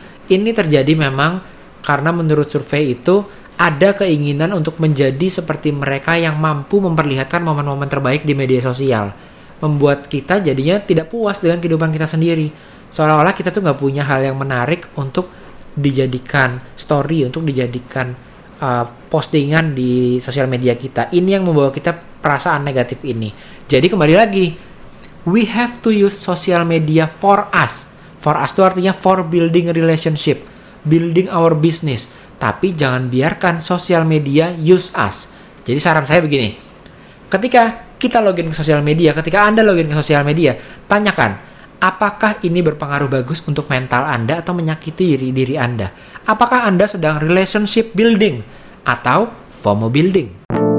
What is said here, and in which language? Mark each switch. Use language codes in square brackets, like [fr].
[id] Ini terjadi memang karena menurut survei itu ada keinginan untuk menjadi seperti mereka yang mampu memperlihatkan momen-momen terbaik di media sosial, membuat kita jadinya tidak puas dengan kehidupan kita sendiri. Seolah-olah kita tuh gak punya hal yang menarik untuk dijadikan story, untuk dijadikan postingan di sosial media kita. Ini yang membawa kita perasaan negatif ini. Jadi kembali lagi, [en] we have to use social media for us. For us [id] itu artinya [en] for building relationship, building our business. [id] Tapi jangan biarkan social media [en] use us. [id] Jadi saran saya begini, ketika kita login ke sosial media, ketika Anda login ke sosial media, tanyakan, apakah ini berpengaruh bagus untuk mental Anda atau menyakiti diri Anda? Apakah Anda sedang relationship building atau FOMO building?